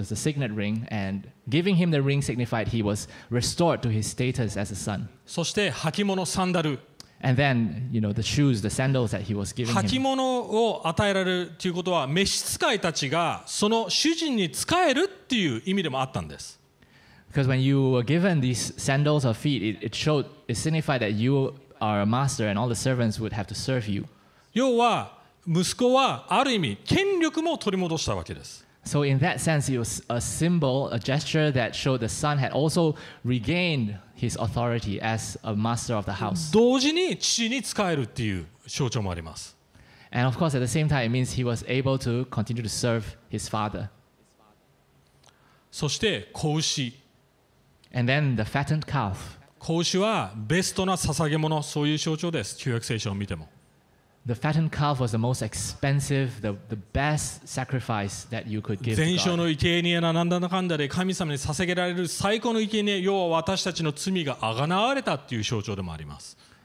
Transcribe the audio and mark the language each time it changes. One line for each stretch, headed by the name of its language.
English: It was a signet ring, and giving him the ring signified he was restored to his status as a son.
Japanese: そして履物サンダル。
English: And then, you know, the shoes, the sandals that he was giving him.
Japanese: 履物を与えられるということは、召使いたちがその主人に仕えるっていう意味でもあったんです。
English: Because when you were given these sandals or feet, it signified that you are a master and all the servants would have to serve you.
Japanese: 要は息子はある意味権力も取り戻したわけです。
English: So in that sense, it was a symbol, a gesture that showed the son had also regained his authority as a master of the house.
Japanese: 同時に父に仕えるっていう象徴もあります。
English: And of course, at the same time, it means he was able to continue to serve his father.
Japanese: そして子牛。
English: And then the fattened calf.
Japanese: 子牛はベストな捧げ物、そういう象徴です。旧約聖書を見ても。
English: The fattened calf was the most expensive, the best sacrifice that you could give.
Japanese: 全焼の生贄やなんだかんだで神様に捧げられる最高の生贄、要は私たちの罪が贖われたという象徴でもあります。